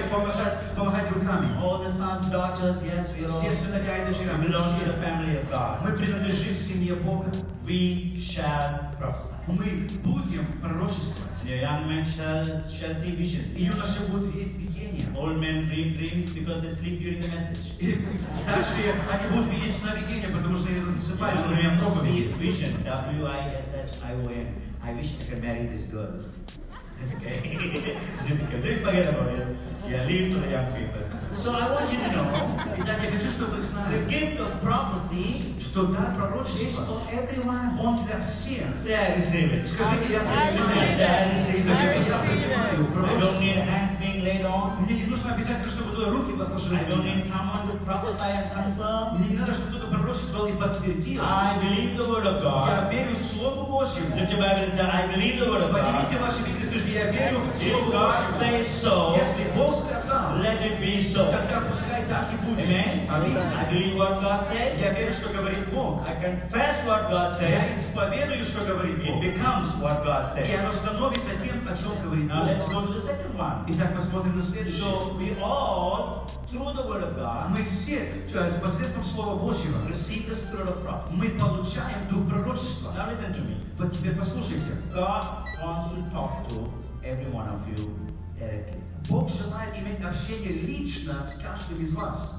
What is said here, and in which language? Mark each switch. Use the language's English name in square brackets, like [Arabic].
[English] Oh, yes. [Russian] Помогать руками. [English] All the sons, daughters, yes, we all. [Russian] Все сыновья и дочеря. [English] We belong to the family of God. [Russian] Мы принадлежим семье Бога. [English] We shall prophesy. [Russian] Мы будем пророчествовать. [English] Your young men shall see visions. [Russian] И юноши будут видеть видения. [English] Old men dream dreams because they sleep during the message. [Russian] Старшие, они будут видеть сновидения, потому что они засыпают. [English] Young men see vision. W-I-S-H-I-O-N. I wish I could marry this girl. It's okay. Don't forget about it. Yeah, leave it for the young people. So I want you to know. [Russian] Итак, я хочу, чтобы вы знали. [English] The gift of prophecy. [Russian] Что дар пророчества. [English] Is for everyone. [Russian] Он для всех. [English] Say I receive it. [Russian] Скажите, я принимаю. [English] I receive it. I don't need hands being laid on. [Russian] Мне не нужно обязательно, чтобы твои руки послушали. [English] I don't need someone to prophesy and confirm. [Russian] Мне не надо, чтобы кто-то пророчествовал и подтвердил. [English] I believe the word of God. [Russian] Я верю в Слово Божье. [English] Let the Bible say, I believe the word of God. [Russian] Поднимите ваши Библии. Я верю, [English] if God [Russian] Божьему, [English] says so, [Russian] если Бог сказал, [English] let it be so. [Russian] Тогда пускай так и будет. [English] Amen. Amen. I believe what God says. [Russian] Я верю, что говорит Бог. [English] I confess what God says. [Russian] Я исповедую, что говорит Бог. [English] It becomes what God says. [Russian] И оно становится тем, о чем говорит [English] Now [Russian] Бог. [English] Let's go to the second one. [Russian] Итак, посмотрим на следующее. [English] So we all, through the word of God, [Russian] мы все, посредством Слова Божьего, [English] receive the spirit of prophecy. [Russian] Мы получаем дух пророчества. [English] Now listen to me. [Russian] Вот теперь послушайте. [English] God wants to talk to every one of you directly. [Russian] Бог желает иметь общение лично с каждым из вас.